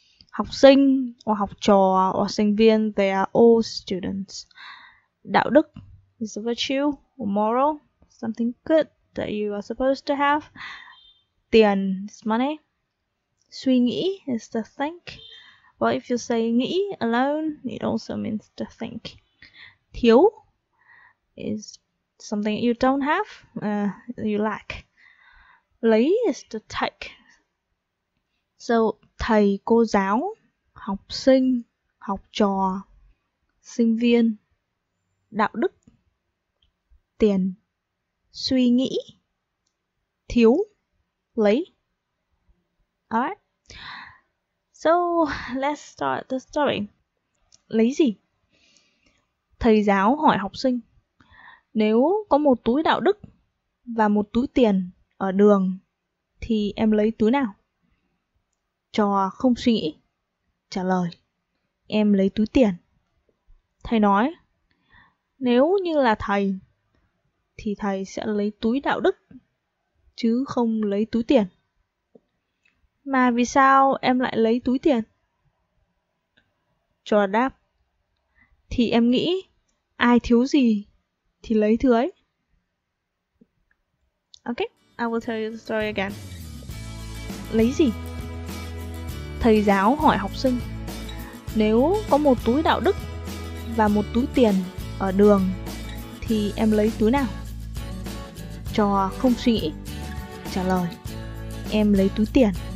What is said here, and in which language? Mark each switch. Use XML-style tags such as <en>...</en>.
<en>Học sinh, or học trò, or sinh viên, they are all students. Đạo đức is a virtue, or moral, something good that you are supposed to have. Tiền is money. Suy nghĩ is to think. Well, if you say nghĩ alone, it also means to think. Thiếu is something you don't have, you lack. Lấy is to take.</en> <vi>So, thầy, cô giáo, học sinh, học trò, sinh viên, đạo đức, tiền, suy nghĩ, thiếu, lấy. Alright.</vi> <en>So, let's start the story.</en> <vi>Lấy gì? Thầy giáo hỏi học sinh, nếu có một túi đạo đức và một túi tiền ở đường, thì em lấy túi nào? Trò không suy nghĩ, trả lời, em lấy túi tiền. Thầy nói, nếu như là thầy, thì thầy sẽ lấy túi đạo đức, chứ không lấy túi tiền. Mà vì sao em lại lấy túi tiền? Trò đáp, thì em nghĩ ai thiếu gì thì lấy thứ ấy.</vi> <en>Ok, I will tell you the story again.</en> <vi>Lấy gì? Thầy giáo hỏi học sinh, nếu có một túi đạo đức và một túi tiền ở đường, thì em lấy túi nào? Trò không suy nghĩ, trả lời, em lấy túi tiền.</vi>